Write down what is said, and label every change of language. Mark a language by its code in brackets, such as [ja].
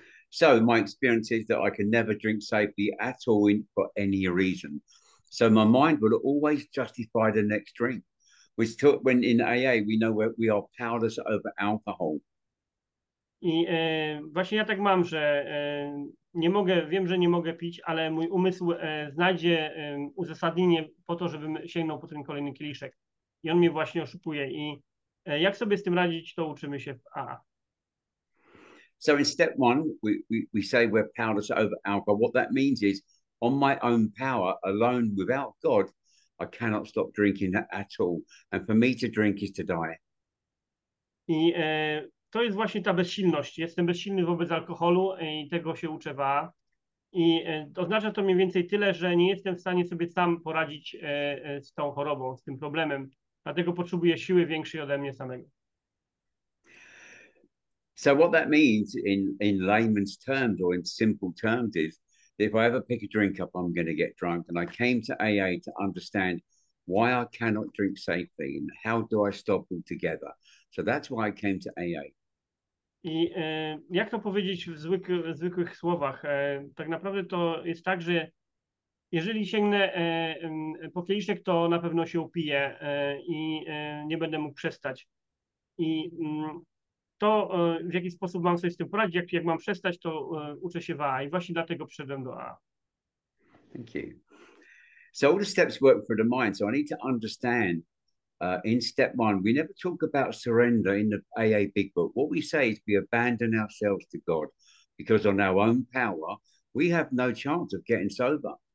[en] So my experience is that I can never drink safely at all for any reason. So my mind will always justify the next drink. which took when in AA we know where we are powerless over alcohol. [pl] I właśnie ja tak mam, że nie mogę, wiem, że nie mogę pić, ale mój umysł znajdzie uzasadnienie po to, żebym sięgnął po ten kolejny kieliszek. I on mnie właśnie oszukuje. I jak sobie z tym radzić, to uczymy się w AA. [en] So in step one, we say we're powerless over alcohol. What that means is, on my own power, alone, without God, I cannot stop drinking at all. And for me to drink is to die. [pl] I to jest właśnie ta bezsilność. Jestem bezsilny wobec alkoholu i tego się uczę w AA. I oznacza to mniej więcej tyle, że nie jestem w stanie sobie sam poradzić z tą chorobą, z tym problemem. Dlatego potrzebuję siły większej ode mnie samego. [en] So what that means in layman's terms or in simple terms is that if I ever pick a drink up, I'm going to get drunk. And I came to AA to understand why I cannot drink safely and how do I stop altogether. So that's why I came to AA. [pl] I jak to powiedzieć w zwykłych słowach? Tak naprawdę to jest tak, że jeżeli sięgnę po kieliszek, to na pewno się upiję i nie będę mógł przestać. I to, w jaki sposób mam sobie z tym poradzić, jak mam przestać, to uczę się w AA. I właśnie dlatego przyszedłem do AA. [en] Thank you. So all the steps work for the mind. So I need to understand in step one, we never talk about surrender in the AA big book. What we say is we abandon ourselves to God because on our own power, we have no chance of getting sober.